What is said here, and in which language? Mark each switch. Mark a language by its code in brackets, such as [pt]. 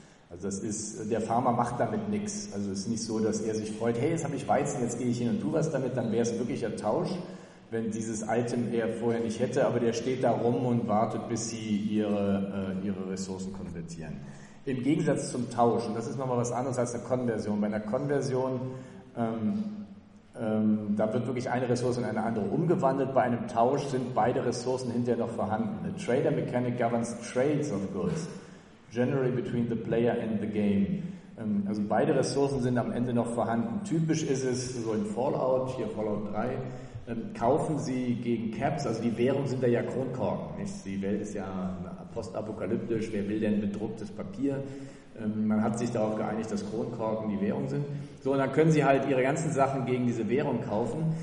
[de] Also das ist, der Farmer macht damit nichts. Also es ist nicht so, dass er sich freut, hey, jetzt habe ich Weizen, jetzt gehe ich hin und tue was damit, dann wäre es wirklich ein Tausch, wenn dieses Item er vorher nicht hätte, aber der steht da rum und wartet, bis sie ihre Ressourcen konvertieren. Im Gegensatz zum Tausch, und das ist nochmal was anderes als eine Konversion. Bei einer Konversion, da wird wirklich eine Ressource in eine andere umgewandelt. Bei einem Tausch sind beide Ressourcen hinterher noch vorhanden. [en] A trader mechanic governs trades of goods, generally between the player and the game. [de] Also beide Ressourcen sind am Ende noch vorhanden. Typisch ist es so in Fallout, hier Fallout 3, kaufen Sie gegen Caps, also die Währung sind da ja Kronkorken, nicht? Die Welt ist ja postapokalyptisch, wer will denn bedrucktes Papier? Man hat sich darauf geeinigt, dass Kronkorken die Währung sind. So, und dann können Sie halt Ihre ganzen Sachen gegen diese Währung kaufen.